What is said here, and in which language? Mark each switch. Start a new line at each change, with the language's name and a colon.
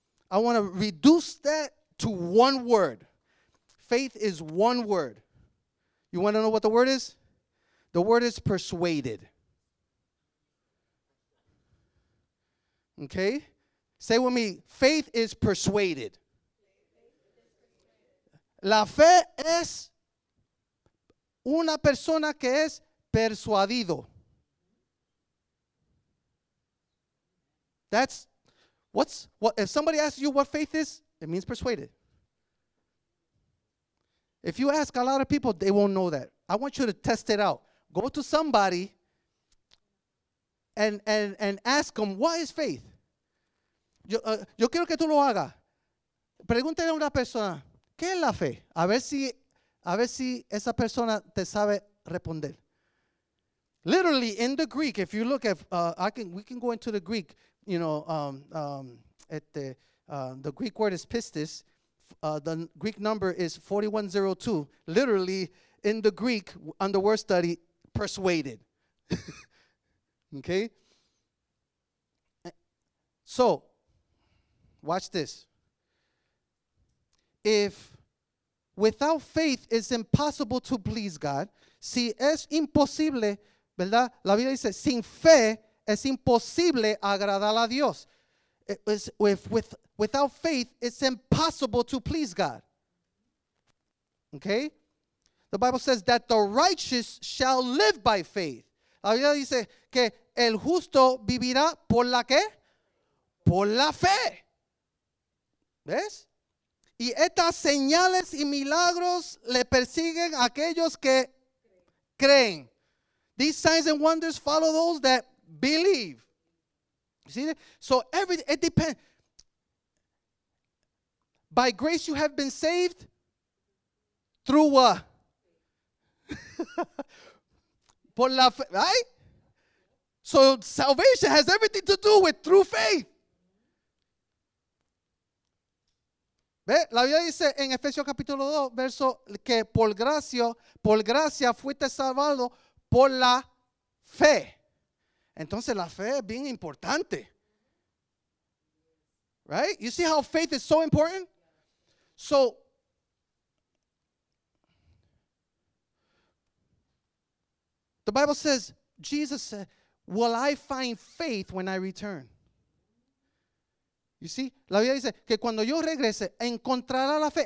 English: I want to reduce that to one word. Faith is one word. You want to know what the word is? The word is persuaded. Okay? Say with me, faith is persuaded.
Spanish: La fe es una persona que es persuadido.
English: That's if somebody asks you what faith is, it means persuaded. If you ask a lot of people, they won't know that. I want you to test it out. Go to somebody and ask them, what is faith?
Spanish: Yo quiero que tú lo hagas. Pregúntale a una persona, ¿qué es la fe? A ver si esa persona te sabe responder.
English: Literally, in the Greek, if you look at, we can go into the Greek, you know, the Greek word is pistis. The Greek number is 4102. Literally, in the Greek, under word study, persuaded. Okay? So, watch this. If without faith it's impossible to please God,
Spanish: si es imposible, ¿verdad? La Biblia dice, sin fe es imposible agradar a Dios.
English: Without faith, it's impossible to please God. Okay? The Bible says that the righteous shall live by faith.
Spanish: La Biblia dice que el justo vivirá por la qué? Por la fe. ¿Ves? Y estas señales y milagros le persiguen a aquellos que creen.
English: These signs and wonders follow those that believe. You see that? So it depends. By grace you have been saved through what?
Spanish: Por la fe,
English: right? So salvation has everything to do with through faith.
Spanish: ¿Ve? La Biblia dice en Efesios capítulo 2, verso que por gracia fuiste salvado por la fe. Entonces la fe es bien importante.
English: Right? You see how faith is so important? So the Bible says, Jesus said, will I find faith when I return? You see?
Spanish: La Biblia dice que cuando yo regrese, encontrará la fe.